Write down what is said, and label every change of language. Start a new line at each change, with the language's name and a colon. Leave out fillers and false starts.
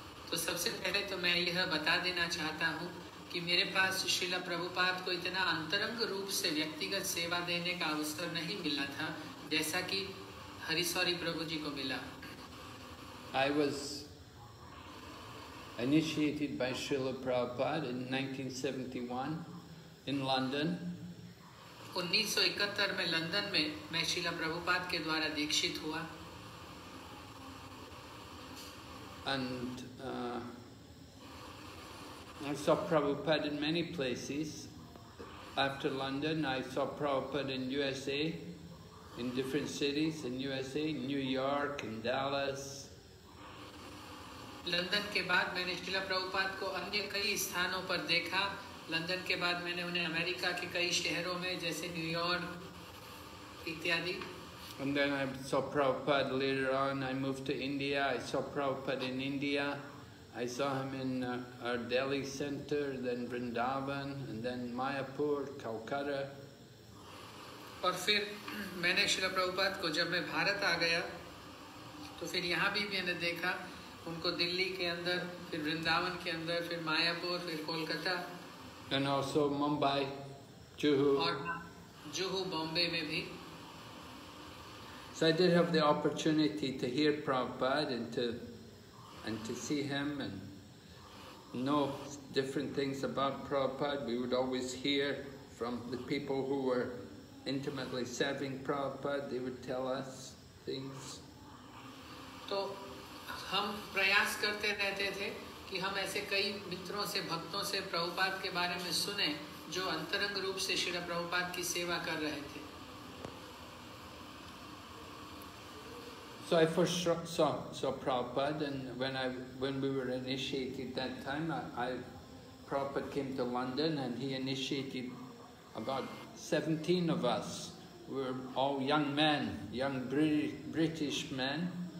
English: So, first of all, I would like to tell you that I have the opportunity to serve Srila Prabhupada in such close proximity as somebody like Harisori Prabhu. So, first of all, I would like to tell you that I have the opportunity to serve Harisori Prabhu in such close proximity. I was initiated by Srila Prabhupada in 1971 in London.
Hindi: मैं Srila Prabhupada के द्वारा दीक्षित हुआ.
English: And I saw Prabhupada in many places. After London, I saw Prabhupada in USA, in different cities in USA, New York and Dallas.
Hindi: London के बाद मैंने श्रीला प्रभुपाद को अन्य कई स्थानों पर देखा। लंदन के बाद मैंने उन्हें अमेरिका के कई शहरों में जैसे न्यूयॉर्क इत्यादि।
English: And then I saw Prabhupada later on. I moved to India. I saw Prabhupada in India. I saw him in our Delhi center, then Vrindavan, and then Mayapur, Calcutta.
Hindi: और फिर मैंने श्रीला प्रभुपाद को जब मैं भारत आ गया तो फिर यहाँ भी मैंने देखा उनको दिल्ली के अंदर फिर वृंदावन के अंदर फिर मायापुर फिर कोलकाता
English: and also Mumbai Juhu
Hindi: और जुहू बॉम्बे में भी
English: so I did have the opportunity to hear Prabhupada and to see him and know different things about Prabhupada we would always hear from the people who were intimately serving Prabhupada they would tell us things
Hindi: तो हम प्रयास करते रहते थे कि हम ऐसे कई मित्रों से भक्तों से प्रभुपाद के बारे में सुने जो अंतरंग रूप से श्री प्रभुपाद की सेवा कर रहे थे।
English: So I first saw Prabhupada and when we were initiated that time I Prabhupada came to London and he initiated about 17 of us. We were all young men, young British men.